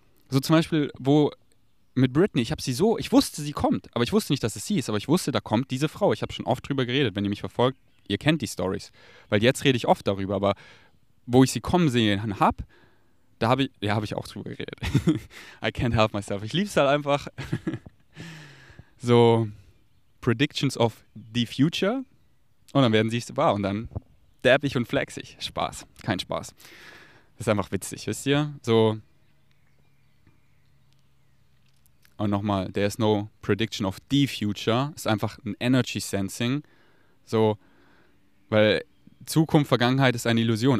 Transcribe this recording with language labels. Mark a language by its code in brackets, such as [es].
[de] So zum Beispiel, wo mit Brittany, ich wusste, sie kommt, aber ich wusste nicht, dass es sie ist, aber ich wusste, da kommt diese Frau. Ich habe schon oft drüber geredet, wenn ihr mich verfolgt, ihr kennt die Stories. Weil jetzt rede ich oft darüber, aber wo ich sie kommen sehen habe, da habe ich auch drüber geredet. [en] I can't help myself. [de] Ich liebe es halt einfach. [en] So, Predictions of the Future. [de] Und dann werden sie es wahr und dann... Derbig und flexig. Spaß. Kein Spaß. Das ist einfach witzig, wisst ihr? So. Und nochmal, [en] there is no prediction of the future. [de] Ist einfach ein Energy Sensing. So, weil Zukunft, Vergangenheit ist eine Illusion.